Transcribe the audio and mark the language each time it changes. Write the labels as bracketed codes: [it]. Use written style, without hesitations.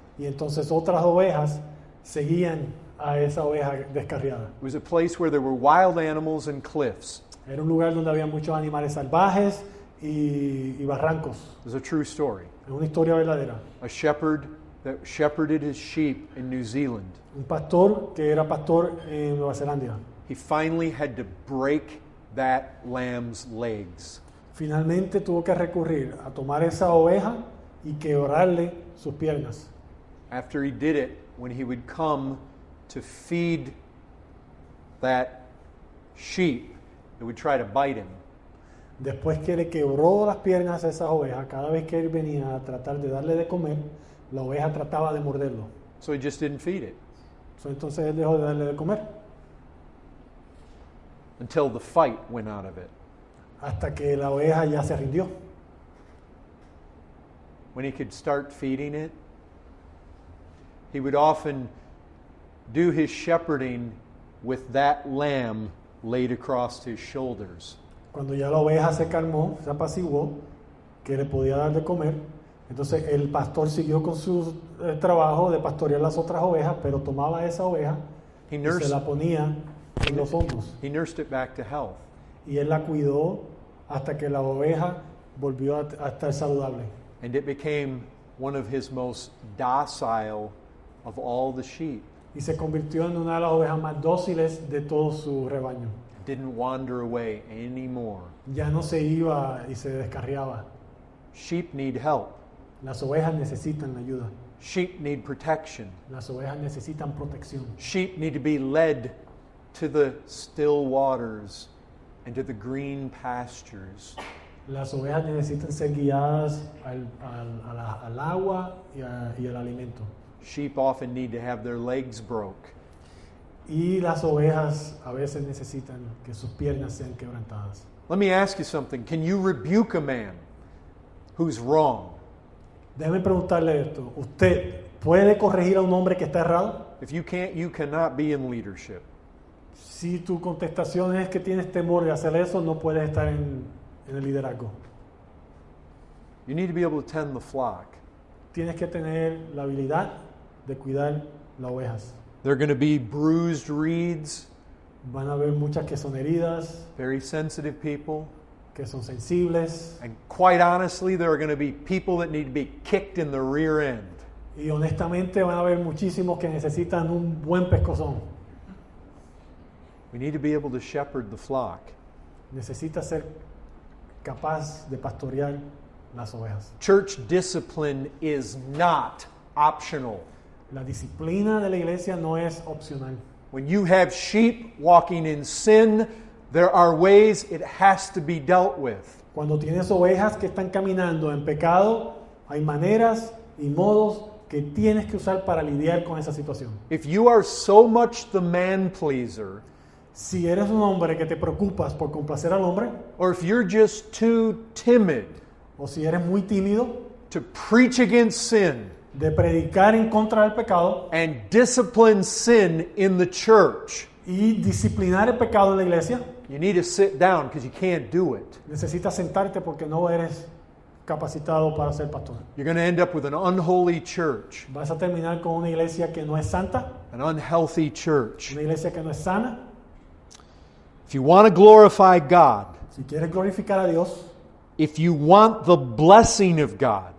[es] Y entonces otras ovejas seguían a esa oveja descarriada. [en] It was a place where there were wild animals and cliffs. [es] Era un lugar donde había muchos animales salvajes y barrancos. [en] It's a true story. [es] Es una historia verdadera. [en] A shepherd that shepherded his sheep in New Zealand. [es] Un pastor que era pastor en Nueva Zelanda. [en] He finally had to break that lamb's legs. [es] Finalmente tuvo que recurrir a tomar esa oveja y quebrarle sus piernas. [en] After he did it, when he would come to feed that sheep, it would try to bite him. [es] Después que le quebró las piernas a esa oveja, cada vez que él venía a tratar de darle de comer, la oveja trataba de morderlo. [en] So he just didn't feed it. [es] So entonces él dejó de darle de comer. [en] Until the fight went out of it. [es] Hasta que la oveja ya se rindió. [en] When he could start feeding it, he would often do his shepherding with that lamb laid across his shoulders. [es] Cuando ya la oveja se calmó, se apaciguó, que le podía dar de comer, entonces el pastor siguió con su trabajo de pastorear las otras ovejas, pero tomaba esa oveja y se la ponía en los hombros. [en] He nursed it back to health. [es] Y él la cuidó hasta que la oveja volvió a estar saludable. [en] And it became one of his most docile of all the sheep. [es] Y se convirtió en una de las ovejas más dóciles de todo su rebaño. [en] Didn't wander away anymore. [es] Ya no se iba y se descarriaba. [en] Sheep need help. [es] Las ovejas necesitan ayuda. [en] Sheep need protection. [es] Las ovejas necesitan protección. [en] Sheep need to be led to the still waters and to the green pastures. [es] Las ovejas necesitan ser guiadas al agua y al alimento. [en] Sheep often need to have their legs broke. [es] Y las ovejas a veces necesitan que sus piernas sean quebrantadas. [en] Let me ask you something. Can you rebuke a man who's wrong? [es] Déjame preguntarle esto. ¿Usted puede corregir a un hombre que está errado? [en] If you can't, you cannot be in leadership. [es] Si tu contestación es que tienes temor de hacer eso, no puedes estar en el liderazgo. [en] You need to be able to tend the flock. [es] Tienes que tener la habilidad de cuidar las ovejas. [en] There are going to be bruised reeds. [es] Van a haber muchas que son heridas. [en] Very sensitive people. [es] Que son sensibles. [en] And quite honestly, there are going to be people that need to be kicked in the rear end. [es] Y honestamente, van a haber muchísimos que necesitan un buen pescozón. [en] We need to be able to shepherd the flock. [es] Necesita ser capaz de pastorear las ovejas. [en] Church discipline is not optional. [es] La disciplina de la iglesia no es opcional. [en] When you have sheep walking in sin, there are ways it has to be dealt with. [es] Cuando tienes ovejas que están caminando en pecado, hay maneras y modos que tienes que usar para lidiar con esa situación. [en] If you are so much the man pleaser, [es] si eres un hombre que te preocupas por complacer al hombre, [en] or if you're just too timid, [es] o si eres muy tímido, [en] to preach against sin, [es] de predicar en contra del pecado, [en] and discipline sin in the church, [es] y disciplinar el pecado en la iglesia, [en] you need to sit down because you can't do it. [es] Necesitas sentarte porque no eres capacitado para ser pastor. [en] You're going to end up with an unholy church. [es] Vas a terminar con una iglesia que no es santa. [en] An unhealthy church. [es] Una iglesia que no es sana. [en] If you want to glorify God, [es] si quieres glorificar a Dios, [en] if you want the blessing of God,